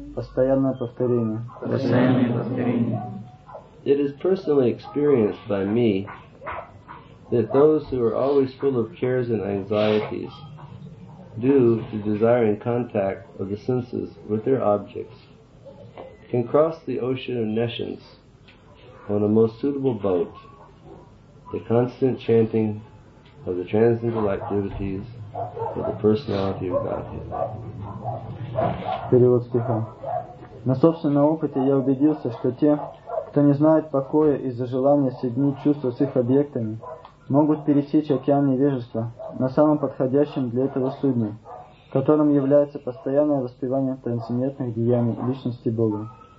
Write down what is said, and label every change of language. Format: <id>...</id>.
<ru>Постоянное повторение. Постоянное повторение.</ru> <en>It is personally experienced by me that those who are always full of cares and anxieties, due to desiring contact of the senses with their objects, can cross the ocean of nescience on a most suitable boat. The constant chanting of the transcendental activities of the personality of Godhead.</en> <ru>Перевод стиха. На собственном опыте я убедился, что те, кто не знает покоя из-за желания соединить чувства с их объектами, могут пересечь океан невежества на самом подходящем для этого судне, которым является постоянное воспевание трансцендентных деяний личности Бога.</ru>